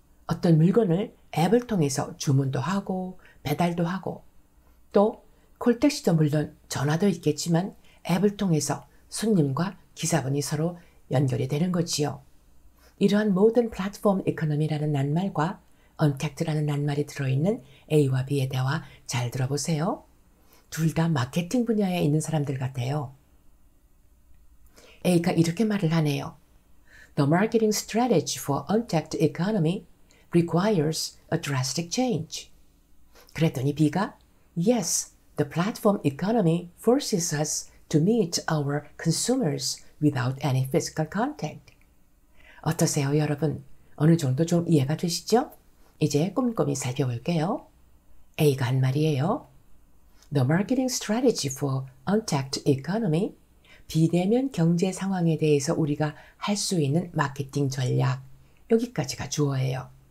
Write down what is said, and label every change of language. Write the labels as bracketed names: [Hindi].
[Korean] 어떤 물건을 앱을 통해서 주문도 하고 배달도 하고 또 콜택시도 물론 전화도 있겠지만 앱을 통해서 손님과 기사분이 서로 연결이 되는 거지요. 이러한 모든 플랫폼 이코노미라는 낱말과 언택트라는 낱말이 들어있는 A와 B의 대화 잘 들어보세요. 둘 다 마케팅 분야에 있는 사람들 같아요. A가 이렇게 말을 하네요. [English] The marketing strategy for untapped economy requires a drastic change. [Korean] 그랬더니 B가 [English] Yes, the platform economy forces us to meet our consumers without any physical contact. [Korean] 어떠세요, 여러분? 어느 정도 좀 이해가 되시죠? 이제 꼼꼼히 살펴볼게요. A가 한 말이에요. [English] The marketing strategy for untapped economy [Korean] 비대면 경제 상황에 대해서 우리가 할 수 있는 마케팅 전략, 여기까지가 주어예요.